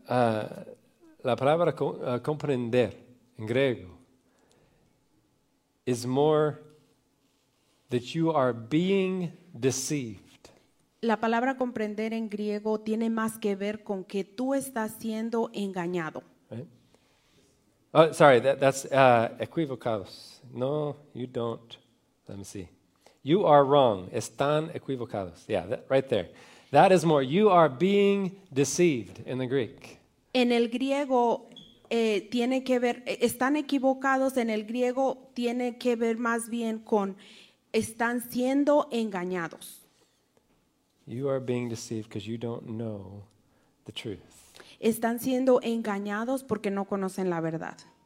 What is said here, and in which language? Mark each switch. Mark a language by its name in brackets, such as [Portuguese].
[Spanish] la palabra comprender en griego [English] is more that you are being deceived. [Spanish] La palabra comprender en griego tiene más que ver con que tú estás siendo engañado. [English] Right? Oh, sorry, that's equivocados. No, you don't. Let me see. You are wrong. [Spanish] Están equivocados. [English] Yeah, that, right there. That is more, you are being deceived in the Greek. [Spanish] En el griego tiene que ver, están equivocados, en el griego tiene que ver más bien con están siendo engañados. [English] You are being deceived because you don't know the truth. [Spanish] Están siendo engañados porque no conocen la verdad.